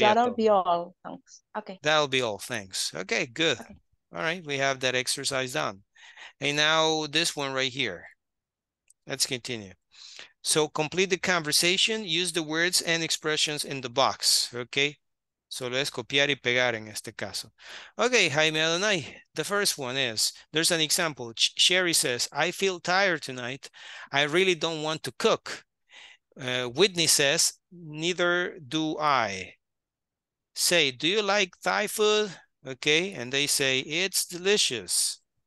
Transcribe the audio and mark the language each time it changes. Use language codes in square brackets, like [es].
[en] that'll todo. Be all, thanks. Okay. That'll be all, thanks. Okay, good. Okay. All right, we have that exercise done. And now this one right here. Let's continue. So complete the conversation. Use the words and expressions in the box, okay? [es] Solo es copiar y pegar en este caso. [en] Okay, Jaime Adonai, the first one is, there's an example. Sherry says, I feel tired tonight. I really don't want to cook. Whitney says, neither do I. Say, do you like Thai food? Okay, and they say, it's delicious.